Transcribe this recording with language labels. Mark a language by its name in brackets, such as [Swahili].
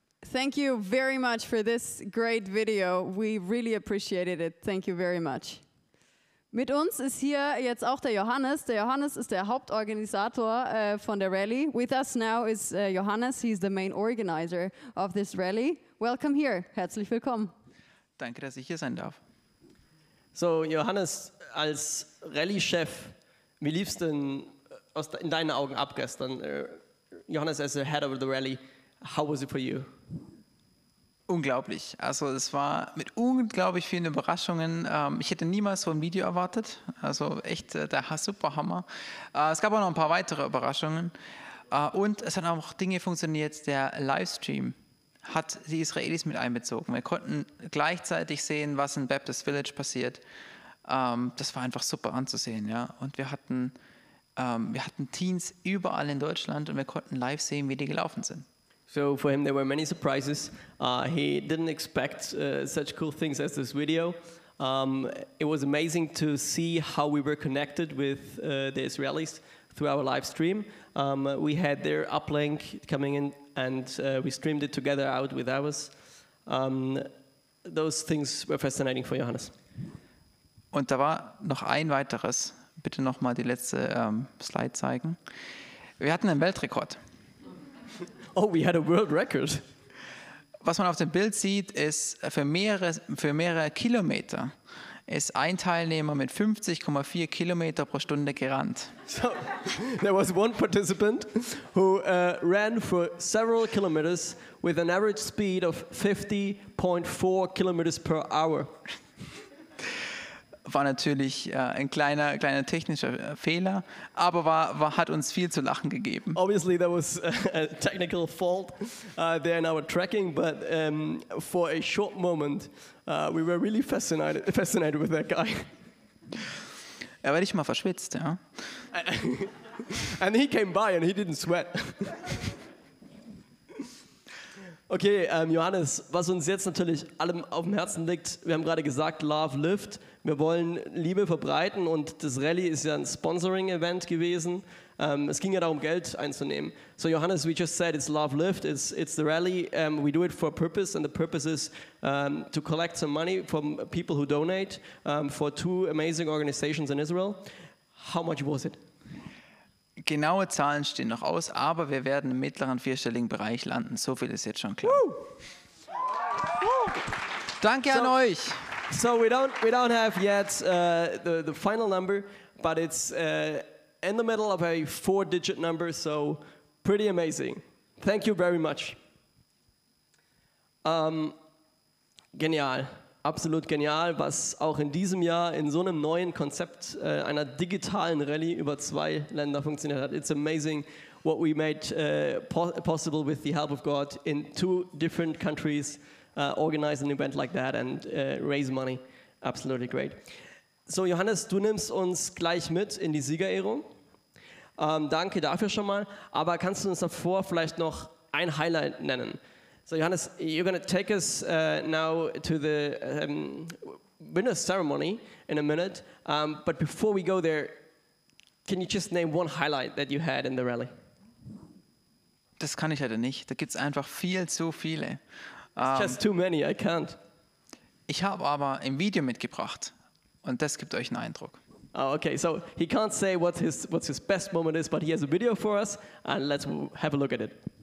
[English] Thank you very much for this great video. We really appreciated it. Thank you very much. [German] Mit uns ist hier jetzt auch der Johannes. Der Johannes ist der Hauptorganisator von der Rallye. [English] With us now is Johannes. He's the main organizer of this rally. Welcome here. [German] Herzlich willkommen. Danke, dass ich hier sein darf. So, Johannes, als Rallye-Chef, wie lief es denn in deinen Augen ab gestern? [English] Johannes, as the head of the rally, how was it for you? [German] Unglaublich. Also es war mit unglaublich vielen Überraschungen. Ich hätte niemals so ein Video erwartet. Also echt der Superhammer. Es gab auch noch ein paar weitere Überraschungen. Und es haben auch Dinge funktioniert. Der Livestream hat die Israelis mit einbezogen. Wir konnten gleichzeitig sehen, was in Baptist Village passiert. Das war einfach super anzusehen. Ja. Und wir hatten Teens überall in Deutschland und wir konnten live sehen, wie die gelaufen sind. [English] So for him, there were many surprises. He didn't expect such cool things as this video. It was amazing to see how we were connected with the Israelis through our live stream. We had their uplink coming in and we streamed it together out with ours. Those things were fascinating for Johannes. [German] Und da war noch ein weiteres. Bitte noch mal die letzte Slide zeigen. Wir hatten einen Weltrekord. [English] Oh, we had a world record. [German] Was man auf dem Bild sieht, ist für mehrere Kilometer ist ein Teilnehmer mit 50,4 Kilometer pro Stunde gerannt. [English] So, there was one participant who ran for several kilometers with an average speed of 50.4 kilometers per hour. [German] War natürlich ein kleiner technischer Fehler, aber hat uns viel zu lachen gegeben. [English] Obviously there was a technical fault there in our tracking, but for a short moment we were really fascinated with that guy. [German] Er war nicht mal verschwitzt, ja. [English] And he came by and he didn't sweat. [German] Okay, Johannes, was uns jetzt natürlich allem auf dem Herzen liegt, wir haben gerade gesagt, Love Lift, wir wollen Liebe verbreiten und das Rally ist ja ein Sponsoring-Event gewesen. Es ging ja darum, Geld einzunehmen. [English] So Johannes, we just said it's Love Lift, it's the rally, we do it for a purpose and the purpose is to collect some money from people who donate for two amazing organizations in Israel. How much was it? [German] Genaue Zahlen stehen noch aus, aber wir werden im mittleren vierstelligen Bereich landen. So viel ist jetzt schon klar. Woo! Woo! Danke an euch. [English] So we don't have yet the final number, but it's in the middle of a four-digit number, so pretty amazing. Thank you very much. [German] Genial. Absolut genial, was auch in diesem Jahr in so einem neuen Konzept einer digitalen Rallye über zwei Länder funktioniert hat. [English] It's amazing what we made possible with the help of God in two different countries, organize an event like that and raise money. Absolutely great. [German] So Johannes, du nimmst uns gleich mit in die Siegerehrung. Danke dafür schon mal. Aber kannst du uns davor vielleicht noch ein Highlight nennen? [English] So Johannes, you're going to take us now to the winner's ceremony in a minute. But before we go there, can you just name one highlight that you had in the rally? [German] Das kann ich leider nicht. Da gibt's einfach viel zu viele. [English] It's just too many, I can't. [German] Ich habe aber ein Video mitgebracht und das gibt euch einen Eindruck. [English] Oh, okay, so he can't say what his best moment is, but he has a video for us and let's have a look at it.